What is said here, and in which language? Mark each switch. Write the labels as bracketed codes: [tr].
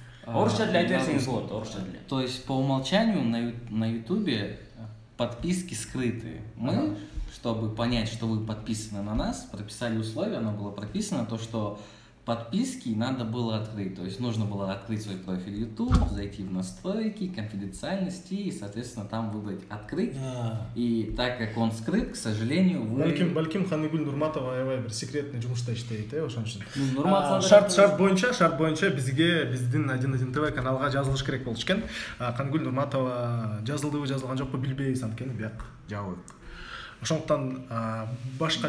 [ky] Орусча деле айта берсеңиз болот, орусча деле. [ru] То есть по умолчанию на Ютубе подписки скрыты. Мы, чтобы понять, что вы подписаны на нас, прописали условия, оно было прописано, то что подписки надо было открыть. То есть нужно было открыть свой профиль YouTube, зайти в настройки, конфиденциальности и, соответственно, там выбрать открыть. [en] Yeah. [ru] И так как он скрыт, к сожалению, вы... [ky] Бәлким Ханыгүл Нурматова аябай бир секретный жумушта иштейт, ошон үчүн. Нурматова шарт боюнча бизге биздин 1-1 ТВ каналга жазылыш керек болчу экен. Ханыгүл Нурматова жазылдыбы, жазылган жокпу билбейбиз, анткени бияк жабык. Ошондуктан башка